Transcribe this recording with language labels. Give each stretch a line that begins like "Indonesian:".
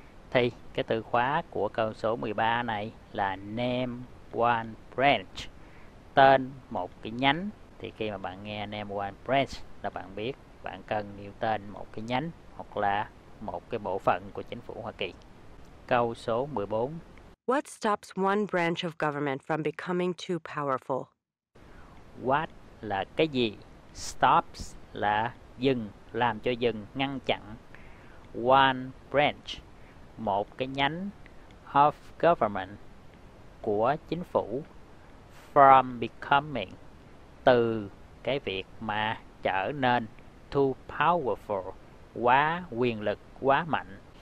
Vietnamese: Thì cái từ khóa của câu số 13 này là
English: name one branch,
Vietnamese: tên một cái nhánh. Thì khi mà bạn nghe
English: name one branch
Vietnamese: là bạn biết bạn cần nêu tên một cái nhánh hoặc là một cái bộ phận của chính phủ Hoa Kỳ. Câu số 14.
English: What stops one branch of government from becoming too powerful?
Vietnamese: What là cái gì? Stops là dừng, làm cho dừng, ngăn chặn.
English: One branch,
Vietnamese: một cái nhánh,
English: of government,
Vietnamese: của chính phủ,
English: from becoming,
Vietnamese: từ cái việc mà trở nên
English: too powerful,
Vietnamese: quá quyền lực, quá mạnh.